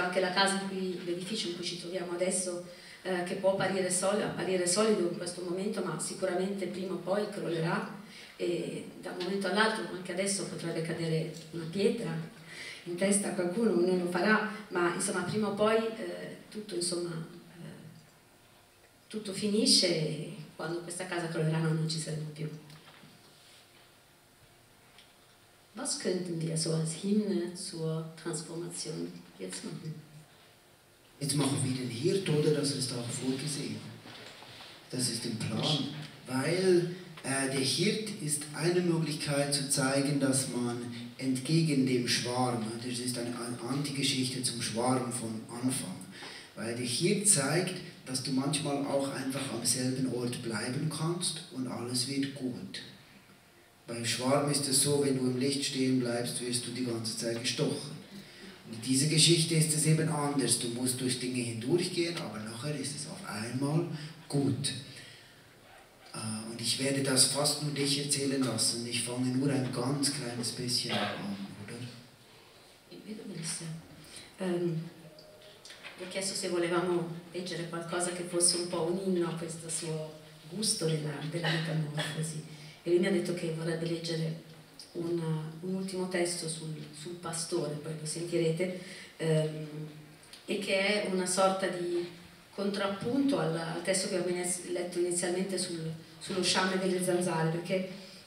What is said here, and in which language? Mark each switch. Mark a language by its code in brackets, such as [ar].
[it] Anche la casa in cui, l'edificio in cui ci troviamo adesso, che può apparire solido in questo momento, ma sicuramente prima o poi crollerà, e da un momento all'altro, anche adesso potrebbe cadere una pietra in testa a qualcuno, non lo farà, ma insomma prima o poi tutto finisce, e quando questa casa crollerà non ci saremo più. [de] Was könnten wir so als Hymne zur Transformation jetzt machen? Jetzt machen wir den Hirt, oder? Das ist auch vorgesehen. Das ist im Plan. Weil der Hirt ist eine Möglichkeit zu zeigen, dass man entgegen dem Schwarm, das ist eine Antigeschichte zum Schwarm von Anfang, weil der Hirt zeigt, dass du manchmal auch einfach am selben Ort bleiben kannst und alles wird gut. Beim Schwarm ist es so, wenn du im Licht stehen bleibst, wirst du die ganze Zeit gestochen. Und in dieser Geschichte ist es eben anders. Du musst durch Dinge hindurchgehen, aber nachher ist es auf einmal gut. Und ich werde das fast nur dich erzählen lassen. Ich fange nur ein ganz kleines bisschen an, oder? [it] Ho chiesto se volevamo leggere qualcosa che fosse un po' un inno a questo suo gusto della metamorfosi. E lui mi ha detto che vorrebbe leggere un ultimo testo sul pastore, poi lo sentirete, e che è una sorta di contrappunto al testo che ho letto inizialmente sullo sciame delle zanzare, perché